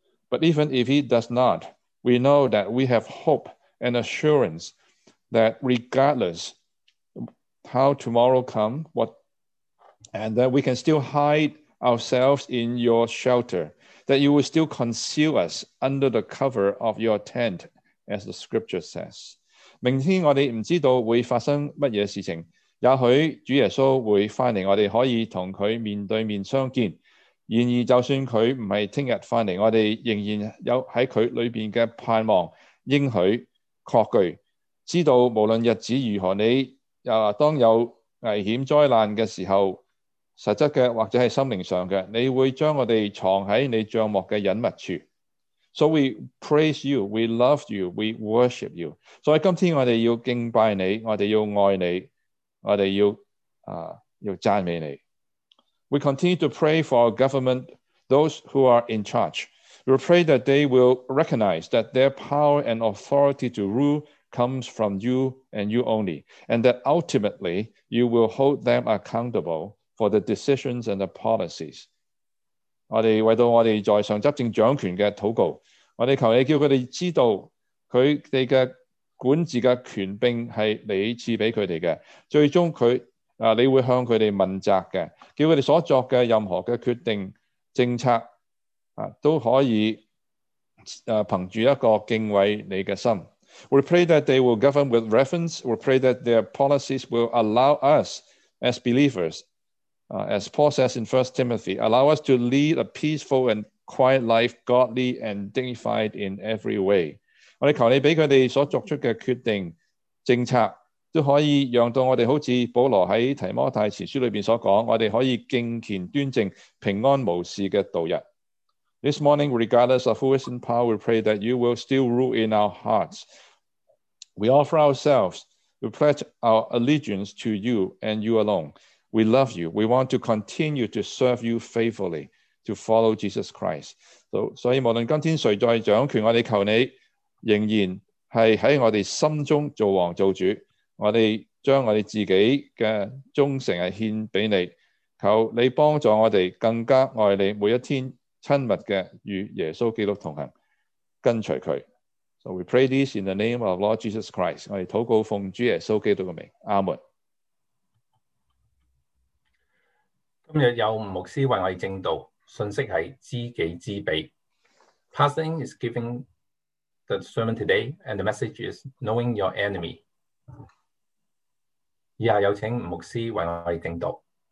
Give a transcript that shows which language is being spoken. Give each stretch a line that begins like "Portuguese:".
English: But even if he does not, we know that we have hope and assurance that regardless how tomorrow comes, and that we can still hide ourselves in your shelter, that you will still conceal us under the cover of your tent, as the scripture says.
Chinese: 明天我们不知道会发生什么事情，也许主耶稣会回来，我们可以和他面对面相见。然而就算他不是明天回来，我们仍然有在他里面的盼望、应许、确据，知道无论日子如何，你当有危险灾难的时候，实质的或者是心灵上的，你会将我们藏在你帐幕的隐密处。
English: So we praise you, we love you, we worship you.
Chinese: 所以今天我们要敬拜你，我们要爱你，我们要赞美你。
English: We continue to pray for our government, those who are in charge. We pray that they will recognize that their power and authority to rule comes from you and you only, and that ultimately you will hold them accountable for the decisions and the policies.
Chinese: 我们为到我们在上执政掌权的祷告，我们求你叫他们知道他们的管治的权柄是你赐给他们的，最终你会向他们问责的，叫他们所作的任何的决定政策都可以凭着一个敬畏你的心。
English: We pray that they will govern with reverence. We pray that their policies will allow us as believers, as Paul says in 1 Timothy, allow us to lead a peaceful and quiet life, godly and dignified in every way.
Chinese: 我们求你给他们所作出的决定政策都可以让到我们好像保罗在提摩太前书里面所说，我们可以敬虔端正平安无事的度日。
English: This morning, regardless of who is in power, we pray that you will still rule in our hearts. We offer ourselves, we pledge our allegiance to you and you alone. We love you. We want to continue to serve you faithfully, to follow Jesus Christ.
Chinese: So, 所以无论今天谁在掌权，我们求你仍然是在我们心中做王做主。我们将我们自己的忠诚献给你，求你帮助我们更加爱你，每一天亲密的与耶稣基督同行，跟随他。
English: So we pray this in the name of Lord Jesus Christ.
Chinese: 我们祷告奉主耶稣基督的名，阿门。今日有牧师为我们证道，信息是知己知彼。
English: Pastor is giving the sermon today, and the message is knowing your enemy.
Chinese: 以下有请牧师为我们证道。